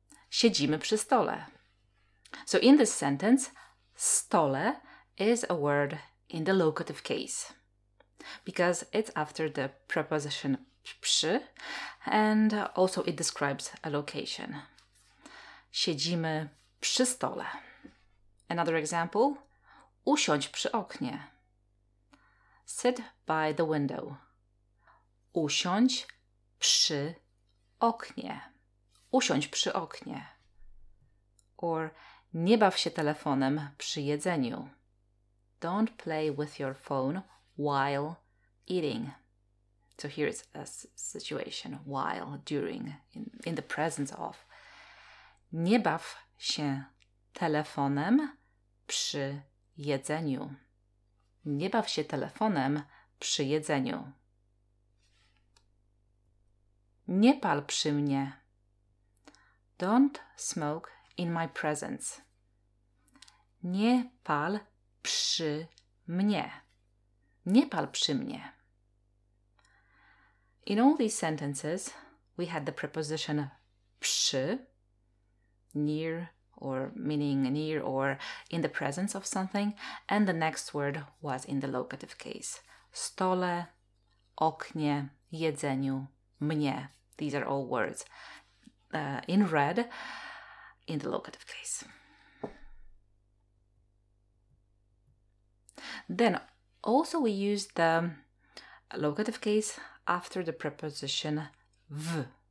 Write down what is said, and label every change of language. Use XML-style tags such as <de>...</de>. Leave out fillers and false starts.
<pl>Siedzimy przy stole.</pl> <en>So in this sentence, stole is a word in the locative case because it's after the preposition przy and also it describes a location.</en> <pl>Siedzimy przy stole.</pl> <en>Another example,</en> <pl>usiądź przy oknie.</pl> <en>Sit by the window.</en> <pl>Usiądź przy oknie. Usiądź przy oknie. Or nie baw się telefonem przy jedzeniu.</pl> <en>Don't play with your phone while eating. So here is a situation, while, during, in the presence of.</en> <pl>Nie baw się telefonem przy jedzeniu. Nie baw się telefonem przy jedzeniu. Nie pal przy mnie.</pl> <en>Don't smoke in my presence.</en> <pl>Nie pal przy mnie. Nie pal przy mnie.</pl> <en>In all these sentences, we had the preposition przy, near or meaning near or in the presence of something, and the next word was in the locative case.</en> <pl>Stole, oknie, jedzeniu, mnie.</pl> <en>These are all words in red in the locative case. Then also we use the locative case after the preposition w.</en>